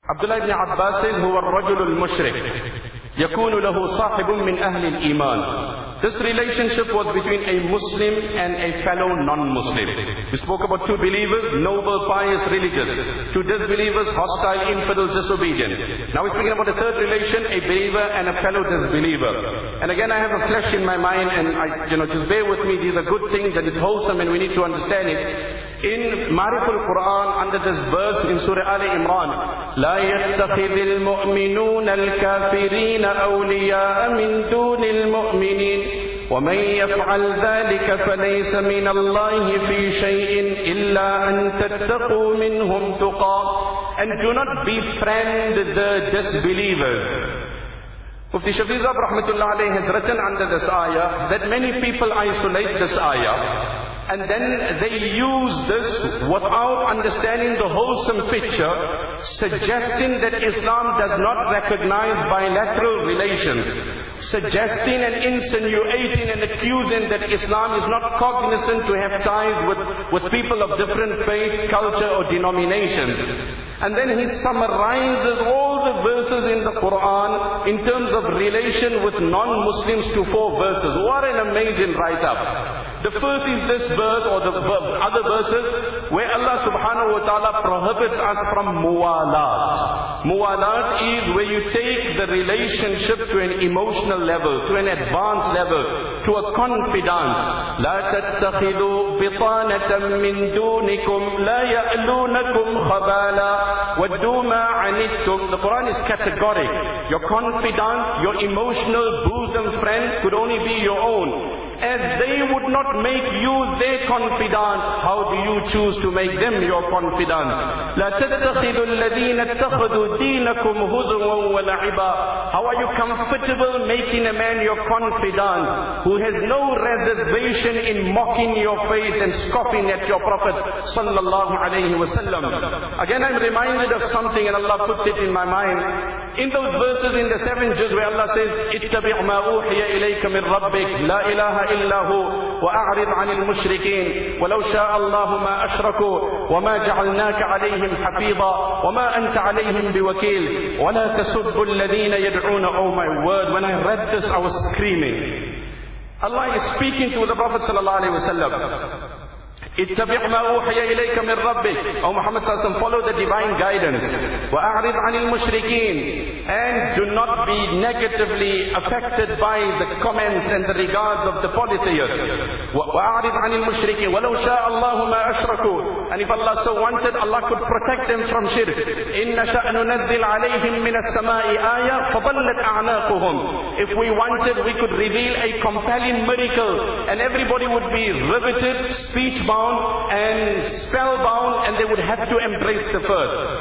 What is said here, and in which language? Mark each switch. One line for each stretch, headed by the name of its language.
Arabic: عبد الله بن عباس هو الرجل المشرك يكون له صاحب من أهل الإيمان.
English: This relationship was between a Muslim and a fellow non-Muslim. We spoke about two believers, noble, pious, religious. Two disbelievers, hostile, infidel, disobedient. Now we're speaking about a third relation, a believer and a fellow disbeliever. And again, I have a flash in my mind, and I, you know, just bear with me. These are good things that is wholesome, and we need to understand it. In Ma'riful Quran, under this verse in Surah Ali Imran,
Arabic: لا يتخذ المؤمنون الكافرين أولياء من دون المؤمنين ومن يفعل ذلك فليس من الله في شيء إلا أن تتقوا منهم تقى.
English: And do not befriend the disbelievers. Mufti Shafi Sahib Rahmatullah Alayhi has written under this ayah that many people isolate this ayah and then they use this without understanding the wholesome picture, suggesting that Islam does not recognize bilateral relations, suggesting and insinuating and accusing that Islam is not cognizant to have ties with people of different faith, culture or denominations. And then he summarizes all the verses in the Quran in terms of relation with non-Muslims to four verses. What an amazing write-up. The first is this verse or the other verses where Allah subhanahu wa ta'ala prohibits us from muwalat. Muwalat is where you take the relationship to an emotional level, to an advanced level, to a confidant.
Arabic: لا تتخذوا بطانة من دونكم لا يألونكم خبالا ودوا ما عنتم.
English: The Quran is categoric. Your confidant, your emotional bosom friend could only be your own. As they would not make you their confidant, how do you choose to make them your confidant?
Arabic: لا تتخذوا الذين اتخذوا دينكم هزوا ولعبا.
English: How are you comfortable making a man your confidant who has no reservation in mocking your faith and scoffing at your Prophet sallallahu alayhi wasallam? Again, I'm reminded of something and Allah puts it in my mind. In those verses in the seven juz where Allah says,
Arabic: اتبع ما أوحي إليك من ربك لا إله إلا هو وأعرض عن المشركين ولو شاء الله ما أشركوا وما جعلناك عليهم حفيظا وما أنت عليهم بوكيل ولا تسبوا الذين يدعون.
English: Oh my word, when I read this I was screaming. Allah is speaking to the Prophet sallallahu alaihi wasallam.
Arabic: اتبع ما أوحي إليك من ربك.
English: Oh Muhammad sallallahu alaihi wasallam, follow the divine guidance.
Arabic: وأعرض عن المشركين.
English: And do not be negatively affected by the comments and the regards of the polytheists.
Arabic: وأعرض عن المشركين. ولو شاء الله ما أشركوا.
English: And if Allah so wanted, Allah could protect them from shirk.
Arabic: إن شاء ننزل عليهم من السماء آية فضلت أعناقهم.
English: If we wanted, we could reveal a compelling miracle and everybody would be riveted, speech bound and spell bound, and they would have to embrace the faith.